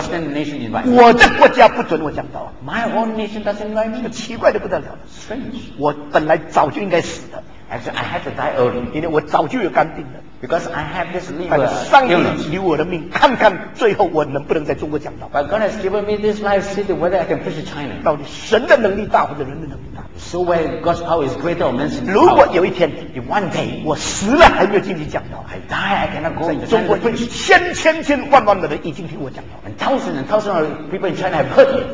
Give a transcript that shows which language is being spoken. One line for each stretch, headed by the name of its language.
English: Western nation invite me.
Chinese: 我的国家不准我讲到。
English: My own nation doesn't invite me.
Chinese: 这个奇怪的不得了。
English: Strange.
Chinese: 我本来早就应该死的。
English: Actually, I had to die early.
Chinese: 因为我早就有肝病了。
English: Because I have this liver.
Chinese: 但上帝留我的命，看看最后我能不能在中国讲道。
English: But God has given me this life, see whether I can preach in China.
Chinese: 到底神的能力大，或者人的能力大
English: ？So when God's power is greater, man's power.
Chinese: 如果有一天
English: ，in one day，
Chinese: 我死了还没有进去讲道
English: ，I die, I cannot go into China.
Chinese: 在中国，千千万万的人已经听我讲道
English: ，and thousands and thousands of people in China have heard me.